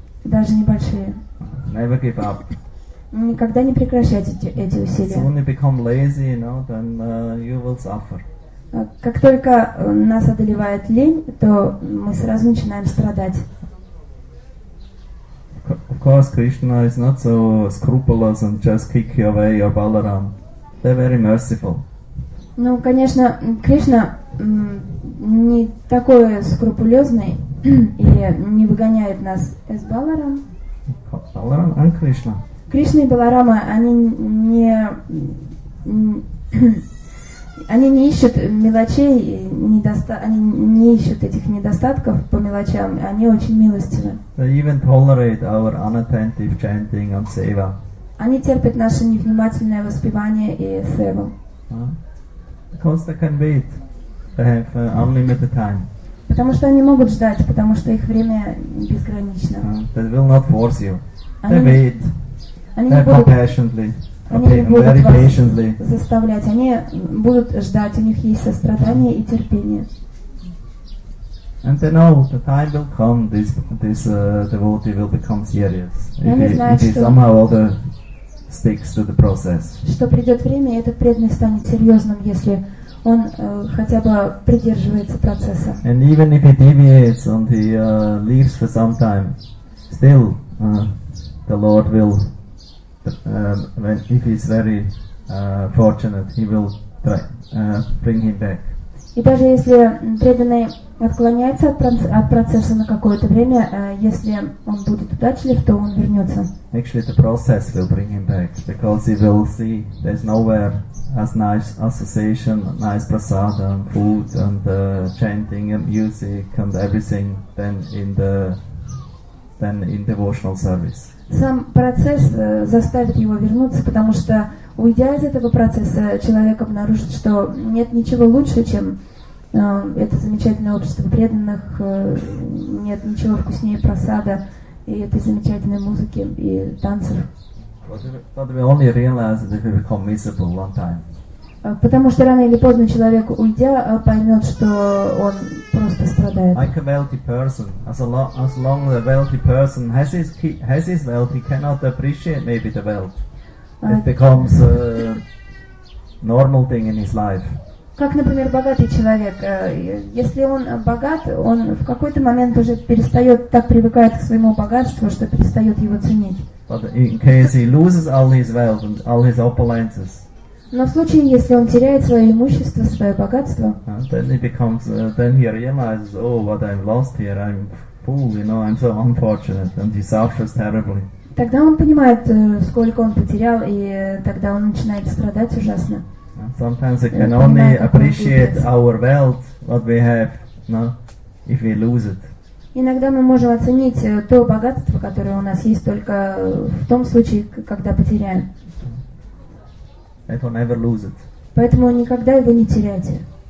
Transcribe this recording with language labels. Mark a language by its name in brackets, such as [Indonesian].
[Russian] Даже небольшие. [English] Never give up. [Russian] никогда не прекращать эти усилия. [English] When you become lazy, you know, then you will suffer. [Russian] Как только нас одолевает лень, то мы сразу начинаем страдать. [English] Of course, Krishna is not so scrupulous and just kick you away, your Balaram. They're very merciful. [Russian] Ну, конечно, Кришна не такой скрупулезный и не выгоняет нас из Баларам. Баларам и Кришна. Кришна и Баларама, они не ищут мелочей, они не ищут этих недостатков по мелочам, они очень милостивы. [English] They even tolerate our unattentive chanting and seva. [Russian] Они терпят наше невнимательное воспевание и севу. [English] Because they can wait, they have unlimited time. [Russian] Потому что они могут ждать, потому что их время безгранично. [English] They will not force you. They wait. [Russian] Они не будут [English] patiently. [Russian] Они не будут вас заставлять. Они будут ждать. У них есть сострадание и терпение. [English] And they know the time will come. This devotee will become serious. Sticks to the process. [Russian] Что придет время, и этот преданный станет серьезным, если он хотя бы придерживается процесса. [English] And even if he deviates and he leaves for some time, still the Lord will, if he's very fortunate, he will try bring him back. [Russian] И даже если преданный отклоняется от процесса на какое-то время, если он будет удачлив, то он вернется. [English] Actually, the process will bring him back, because he will see there's nowhere as nice association, nice prasada, and food, and chanting, and music, and everything than in devotional service. [Russian] Сам процесс заставит его вернуться, потому что, уйдя из этого процесса, человек обнаружит, что нет ничего лучше, чем это замечательное общество преданных, нет ничего вкуснее просада и этой замечательной музыки и танцев. [English] But we only realize that we become miserable one time. [Russian] Потому что рано или поздно человек, уйдя, поймет, что он просто страдает. [English] Like a wealthy person, as long as a wealthy person has his wealth, he cannot appreciate maybe the wealth. It becomes a normal thing in his life. [Russian] Как, например, богатый человек. Если он богат, он в какой-то момент уже перестает так привыкает к своему богатству, что перестает его ценить. [English] But in case he loses all his wealth and all his opulences. [Russian] Но в случае, если он теряет свое имущество, свое богатство. [English] Then he becomes, then he realizes, oh, what I've lost here, I'm fool, you know, I'm so unfortunate, and he suffers terribly. [Russian] Тогда он понимает, сколько он потерял, и тогда он начинает страдать ужасно. [English] Sometimes we can only appreciate our wealth, what we have, no, if we lose it. [Russian] Иногда мы можем оценить то богатство, которое у нас есть, только в том случае, когда потеряем. [English] That will never lose it. [Russian] Поэтому никогда его не теряйте.